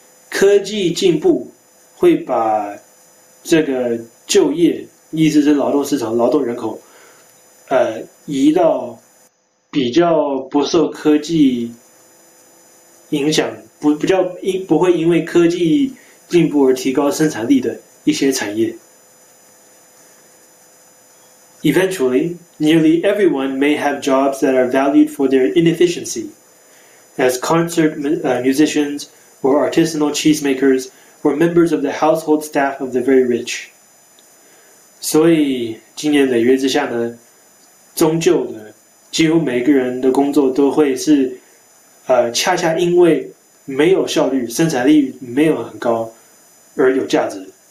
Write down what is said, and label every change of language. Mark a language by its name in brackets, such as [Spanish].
[Chinese] 科技进步会把这个就业，意思是劳动市场、劳动人口，移到比较不受科技影响，不会因为科技进步而提高生产力的一些产业。 [English] Eventually, nearly everyone may have jobs that are valued for their inefficiency, as concert musicians, or artisanal cheesemakers, or members of the household staff of the very rich. [Chinese] 所以，经年累月之下呢，终究的，几乎每个人的工作都会是，恰恰因为没有效率，生产力没有很高，而有价值。